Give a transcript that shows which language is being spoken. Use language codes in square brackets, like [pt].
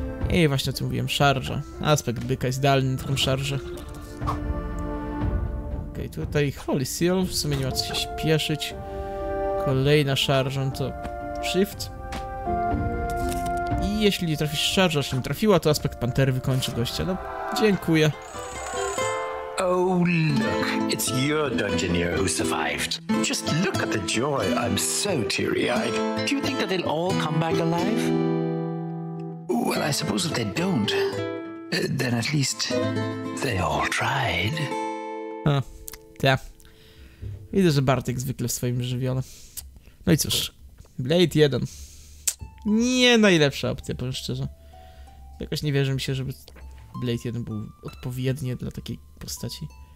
[pl] I właśnie o tym mówiłem, szarża. Aspekt byka jest idealny na taką szarżę. Tutaj Holy Seal, w sumie nie ma co się śpieszyć. Kolejna szarża to Shift. I jeśli nie trafisz szarża, się nie trafiła, to aspekt pantery wykończy gościa. No, dziękuję. [en] Oh, look, it's your dungeoneer who survived. Just look at the joy, I'm so teary-eyed. Do you think that they'll all come back alive? Well, I suppose if they don't, then at least they all tried. [pl] Huh. Ja. Widzę, że Bartek zwykle w swoim żywiole. No i cóż, Blade 1. Nie najlepsza opcja, powiem szczerze. Jakoś nie wierzy mi się, żeby Blade 1 był odpowiednie dla takiej postaci.